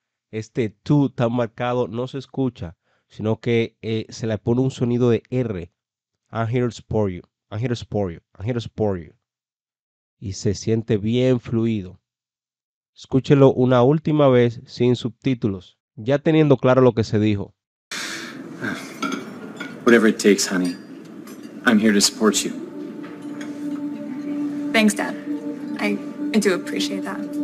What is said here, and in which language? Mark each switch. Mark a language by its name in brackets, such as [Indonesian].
[Spanish] Este to tan marcado no se escucha, sino que se le pone un sonido de R. [English] I'm here to support you, I'm here to support you, I'm here to support you. [Spanish] Y se siente bien fluido. Escúchelo una última vez sin subtítulos, ya teniendo claro lo que se dijo. [English] Whatever it takes, honey. I'm here to support you. Thanks, Dad. I do appreciate that.